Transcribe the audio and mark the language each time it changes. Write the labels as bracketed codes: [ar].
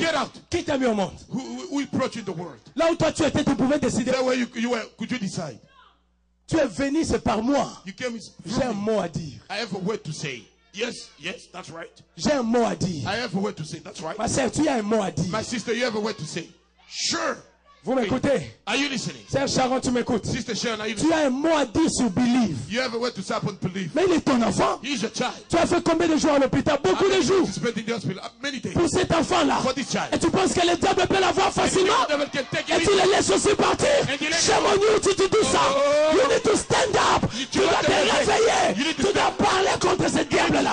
[en] Get out. [fr] Qui t'a mis au monde? [en] Who brought you in the world? [fr] Là où toi tu étais, tu pouvais décider. [en] That way you were, could you decide? [fr] Tu es venu, c'est par moi. [en] You came [fr] j'ai un mot à dire. [en] I have a word to say. Yes, yes, that's right. [fr] J'ai un mot à dire. [en] I have a word to say. That's right. [fr] Ma sœur, tu as un mot à dire. [en] My sister, you have a word to say. Sure. [fr] Vous m'écoutez? [en] Are you listening? [fr] Sœur Sharon, tu m'écoutes? [en] Sister Sharon, are you listening? [fr] Tu as un mot à dire sur [en] believe. You have a word to say upon believe. [fr] Mais il est ton enfant. [en] He's your child. [fr] Tu as fait combien de jours à l'hôpital? Beaucoup de jours. [en] I've spent in the hospital many days. [fr] Pour cet enfant-là. [en] For this child. [fr] Et tu penses que le diable peut l'avoir facilement? Et tu le laisses aussi partir? Chez mon Dieu, tu te dis ça. [en] You need to stand up. You [fr] tu dois te réveiller. Tu dois parler contre ce diable-là.